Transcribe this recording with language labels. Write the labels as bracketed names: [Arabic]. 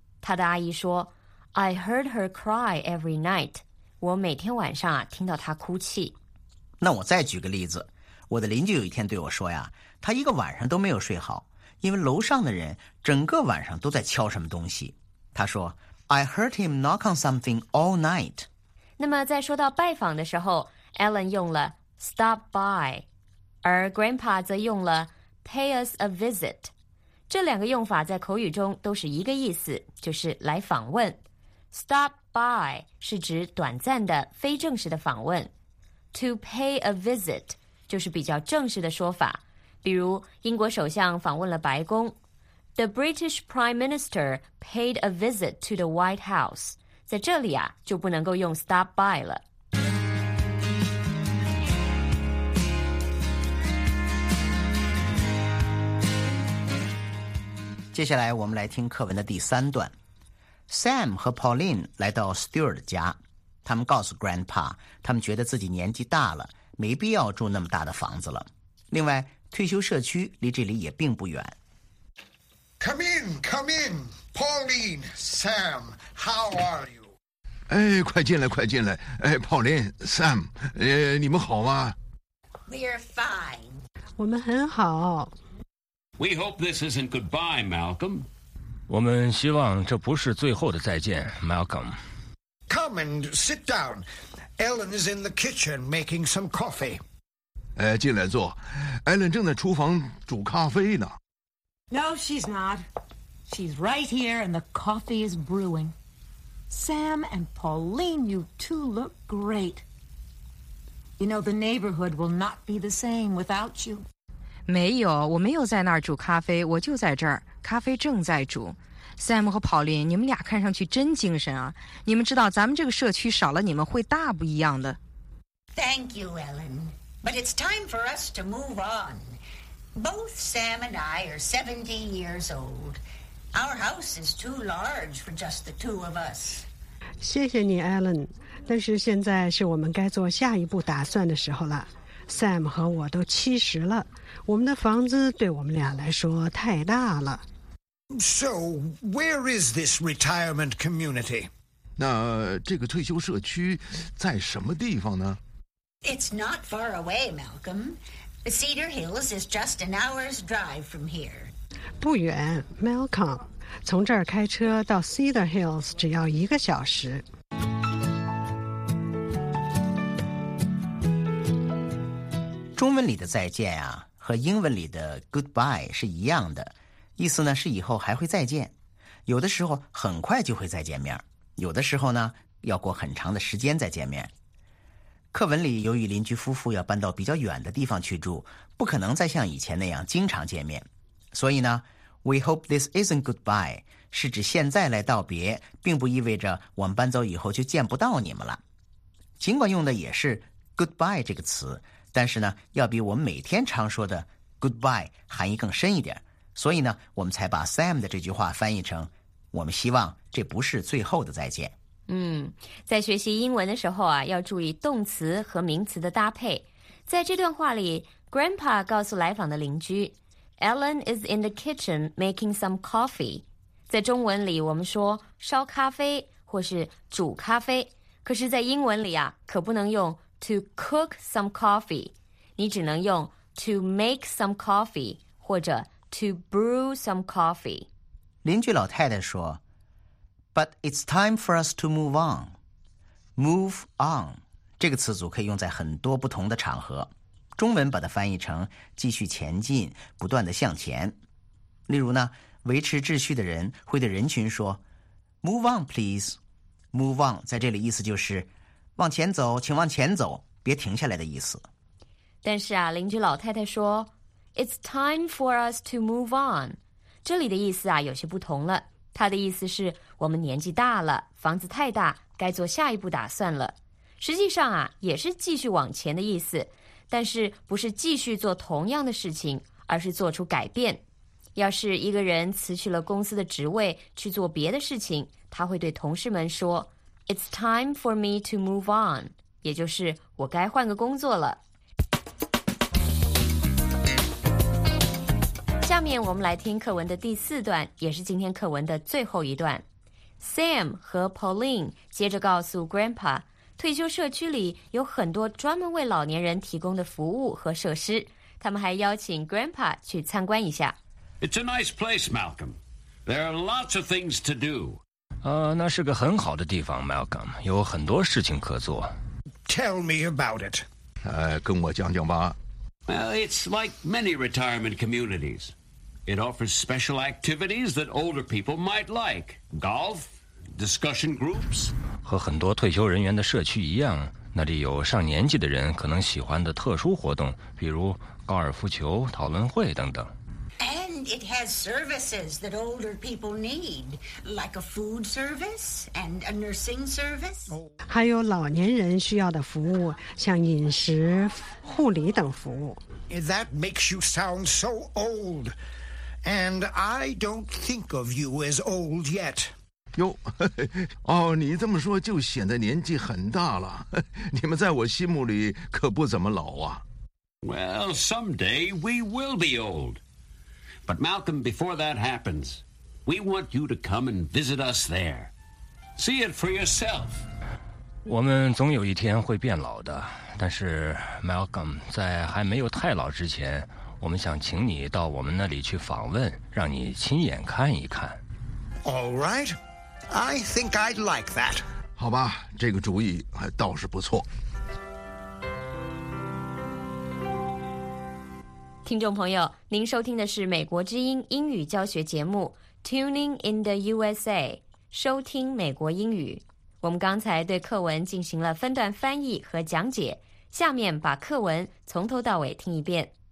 [Chinese] 她的阿姨说 [English] I heard her cry every night， [Chinese] 我每天晚上啊听到她哭泣。那我再举个例子，我的邻居有一天对我说呀，她一个晚上都没有睡好，因为楼上的人整个晚上都在敲什么东西。他说 [English] I heard him knock on something all night. [Chinese] 那么在说到拜访的时候， Alan 用了 stop by， 而 Grandpa 则用了 [English] pay us a visit。 [Chinese] 这两个用法在口语中都是一个意思，就是来访问。 stop by 是指短暂的非正式的访问， to pay a visit 就是比较正式的说法。比如英国首相访问了白宫， [English] The British Prime Minister paid a visit to the White House. [Chinese] 在这里啊，就不能够用 stop by 了。接下来我们来听课文的第三段。Sam 和 Pauline 来到 Stuart 家，他们告诉 Grandpa， 他们觉得自己年纪大了，没必要住那么大的房子了。另外，退休社区离这里也并不远。 [English] Come in, come in. Pauline, Sam, how are you? [Chinese] 哎，快进来，快进来。哎 ，Pauline, Sam, 你们好吗 [English] ？We're fine. [Chinese] 我们很好。 [English] We hope this isn't goodbye, Malcolm. [Chinese] 我们希望这不是最后的再见 ，Malcolm. [English] Come and sit down. Ellen is in the kitchen making some coffee. [Chinese] 哎，进来坐。 Ellen 正在厨房煮咖啡呢。 [English] No, she's not. She's right here, and the coffee is brewing. Sam and Pauline, you two look great. You know, the neighborhood will not be the same without you. [Chinese] 没有，我没有在那儿煮咖啡，我就在这儿，咖啡正在煮。 Sam 和 Pauline, 你们俩看上去真精神啊。你们知道咱们这个社区少了你们会大不一样的。 [English] Thank you, Ellen. But it's time for us to move on. Both Sam and I are 17 years old. Our house is too large for just the two of us. [Chinese] 谢谢你 Ellen, 但是现在是我们该做下一步打算的时候了。 Sam 和我都七十了，我们的房子对我们俩来说太大了。 [English] So, where is this retirement community? [Chinese] 那这个退休社区在什么地方呢？ [English] It's not far away, Malcolm. Cedar Hills is just an hour's drive from here. [Chinese] 不远 ,Malcolm. 从这儿开车到 Cedar Hills 只要一个小时。中文里的再见啊，和英文里的 goodbye 是一样的。意思呢是以后还会再见，有的时候很快就会再见面，有的时候呢要过很长的时间再见面。课文里由于邻居夫妇要搬到比较远的地方去住，不可能再像以前那样经常见面，所以呢 [English] We hope this isn't goodbye [Chinese] 是指现在来道别，并不意味着我们搬走以后就见不到你们了。尽管用的也是 goodbye 这个词，但是呢要比我们每天常说的 goodbye 含义更深一点，所以呢我们才把 Sam 的这句话翻译成我们希望这不是最后的再见。嗯，在学习英文的时候啊，要注意动词和名词的搭配。在这段话里 Grandpa 告诉来访的邻居 [English] Ellen is in the kitchen making some coffee。 [Chinese] 在中文里我们说烧咖啡或是煮咖啡，可是在英文里啊，可不能用 [English] to cook some coffee， [Chinese] 你只能用 [English] to make some coffee [Chinese] 或者 [English] To brew some coffee. [Chinese] 邻居老太太说 [English] But it's time for us to move on. Move on. [Chinese] 这个词组可以用在很多不同的场合。中文把它翻译成继续前进，不断地向前。例如呢，维持秩序的人会对人群说 [English] Move on, please. [Chinese] Move on 在这里意思就是往前走，请往前走，别停下来的意思。但是啊，邻居老太太说 [English] It's time for us to move on. [Chinese] 这里的意思啊，有些不同了。它的意思是我们年纪大了，房子太大，该做下一步打算了。实际上啊，也是继续往前的意思，但是不是继续做同样的事情，而是做出改变。要是一个人辞去了公司的职位去做别的事情，他会对同事们说 [English] It's time for me to move on. [Chinese] 也就是我该换个工作了。下面我们来听课文的第四段，也是今天课文的最后一段。 Sam 和 Pauline 接着告诉 Grandpa， 退休社区里有很多专门为老年人提供的服务和设施，他们还邀请 Grandpa 去参观一下。 [English] It's a nice place, Malcolm. There are lots of things to do. [Chinese] 那是个很好的地方 ，Malcolm， 有很多事情可做。 [English] Tell me about it. [Chinese] 跟我讲讲吧。 [English] Well, it's like many retirement communities. It offers special activities that older people might like. Golf, discussion groups. [Chinese] 和很多退休人员的社区一样，那里有上年纪的人可能喜欢的特殊活动，比如高尔夫球、讨论会等等。 [English] And it has services that older people need, like a food service and a nursing service. [Chinese] 还有老年人需要的服务，像饮食、护理等服务。 [English] That makes you sound so old. And I don't think of you as old yet. [Chinese] 哟，哦，你这么说就显得年纪很大了。你们在我心目里可不怎么老啊。 [English] Well, someday we will be old. But Malcolm, before that happens, we want you to come and visit us there. See it for yourself. [Chinese] 我们总有一天会变老的，但是 Malcolm, 在还没有太老之前，我们想请你到我们那里去访问，让你亲眼看一看。 [English] All right, I think I'd like that. [Chinese] 好吧，这个主意还倒是不错。听众朋友，您收听的是美国之音英语教学节目 Tuning in the USA。收听美国英语。我们刚才对课文进行了分段翻译和讲解，下面把课文从头到尾听一遍。